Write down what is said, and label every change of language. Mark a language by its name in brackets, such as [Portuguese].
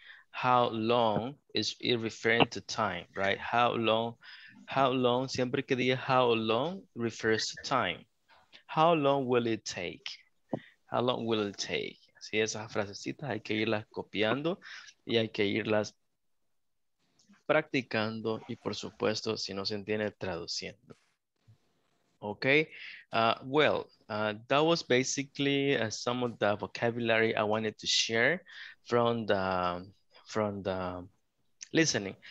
[English] How long is it referring to time, right? How long. How long, [Spanish] siempre que diga [English] how long, refers to time. How long will it take? How long will it take? [Spanish] Así esas frasecitas hay que irlas copiando y hay que irlas practicando y por supuesto, si no se entiende, traduciendo. [English] Okay, well, that was basically some of the vocabulary I wanted to share from the listening.